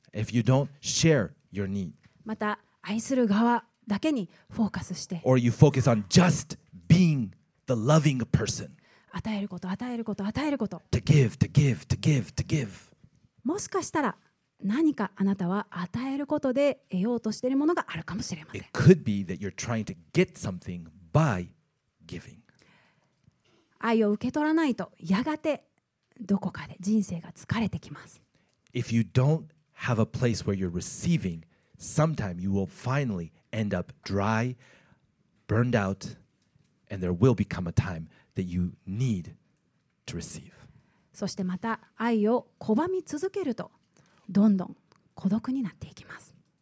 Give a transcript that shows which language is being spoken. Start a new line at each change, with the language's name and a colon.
English: If you don't share your need,
Japanese: また愛する側だけにフォーカスして、
English: or you focus on just being the loving person,
Japanese: 与えること、与えること、与えること、
English: to give, to give, to give, to give.
Japanese: もしかしたら何かあなたは与えることで得ようとしているものがあるかもしれません。
English: It could be that you're trying to get something by giving.
Japanese: 愛を受け取らないとやがてどこかで人生が疲れてきます。
English: If you don'tHave a place where you're receiving. Sometime you will finally end up dry, burned out, and there will become a time that you need to receive.
Japanese: そしてまた愛を拒み続けるとどんどん孤独になっていきます。